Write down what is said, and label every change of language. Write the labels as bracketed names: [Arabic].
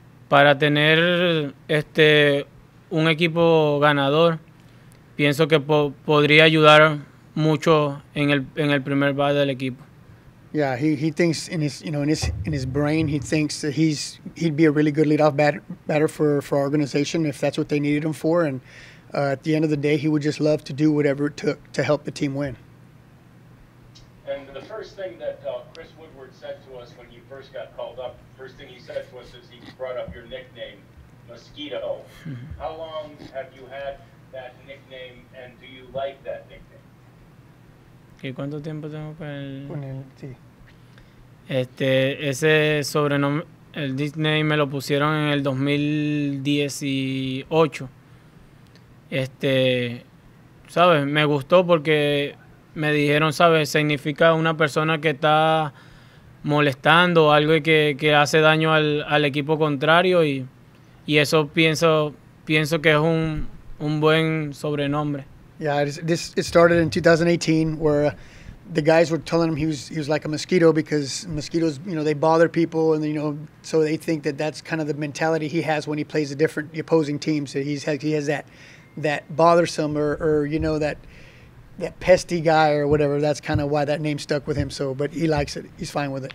[Spanish] Para tener un equipo ganador, pienso que podría ayudar mucho en el primer bat del equipo. [English] Yeah, he thinks in his brain, he thinks that he'd be a really good leadoff batter for our organization if that's what they needed him for. And at the end of the day, he would just love to do whatever it took to help the team win. And the first thing that Chris Woodward said to us when you first got called up, first thing he said to us is he brought up your nickname, Mosquito. Mm-hmm. How long have you had that nickname, and do you like that nickname? [Spanish] ¿Y cuánto tiempo tengo con él? Con él, sí. Ese sobrenombre, el nickname, me lo pusieron en el 2018. ¿Sabes? Me gustó porque me dijeron, ¿sabes? Significa una persona que está molestando, algo que hace daño al equipo contrario. Y eso pienso que es un buen sobrenombre. [English] Yeah, it started in 2018 where the guys were telling him he was like a mosquito because mosquitoes, you know, they bother people, and you know, so they think that's kind of the mentality he has when he plays the opposing teams. So he has that bothersome or you know that pesty guy or whatever. That's kind of why that name stuck with him. So, but he likes it. He's fine with it.